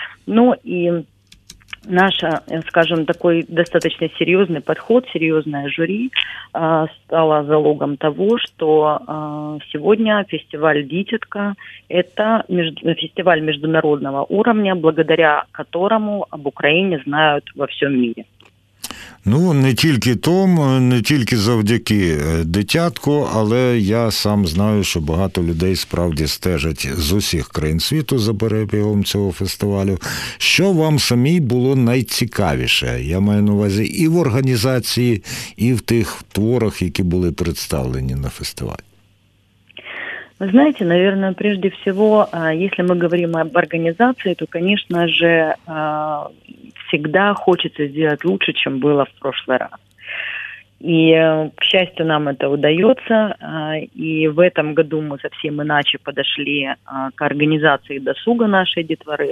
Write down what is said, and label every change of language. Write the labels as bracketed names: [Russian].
[Russian] Ну и наш, скажем, такой достаточно серьезный подход, серьезное жюри стало залогом того, что сегодня фестиваль «Дитятко» – это фестиваль международного уровня, благодаря которому об Украине знают во всем мире. [Ukrainian] Ну, не тільки тому, не тільки завдяки «Дитятку», але я сам знаю, що багато людей справді стежать з усіх країн світу за перебігом цього фестивалю. Що вам самій було найцікавіше? Я маю на увазі і в організації, і в тих творах, які були представлені на фестивалі. [Russian] Вы знаете, наверное, прежде всего, если мы говорим об организации, то, конечно же, всегда хочется сделать лучше, чем было в прошлый раз. И, к счастью, нам это удается. И в этом году мы совсем иначе подошли к организации досуга нашей детворы.